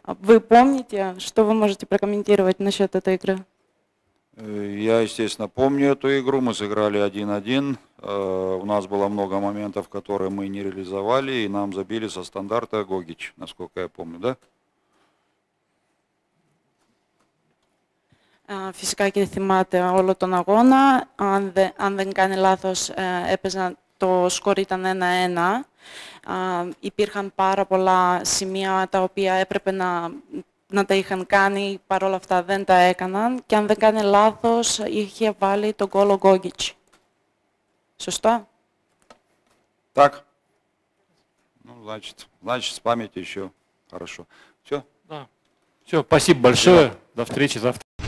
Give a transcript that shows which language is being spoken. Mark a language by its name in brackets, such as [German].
[Russian] Вы помните, что вы можете прокомментировать насчет этой игры? Я, естественно, помню эту игру. Мы сыграли 1-1. У нас было много моментов, которые мы не реализовали, и нам забили со стандарта Гогич, насколько я помню, да? [Greek] Φυσικά και θυμάται όλο τον αγώνα. Αν δεν κάνει λάθος, έπαιζαν, το σκορ ήταν 1-1. Υπήρχαν πάρα πολλά σημεία τα οποία έπρεπε να τα είχαν κάνει, παρόλα αυτά δεν τα έκαναν. Και αν δεν κάνει λάθος, είχε βάλει τον γκολ ο Γκόγκιτς. Σωστά? [Russian] Так. Ну, значит, с памяти еще хорошо. Все? Да. Все, спасибо большое. До встречи завтра.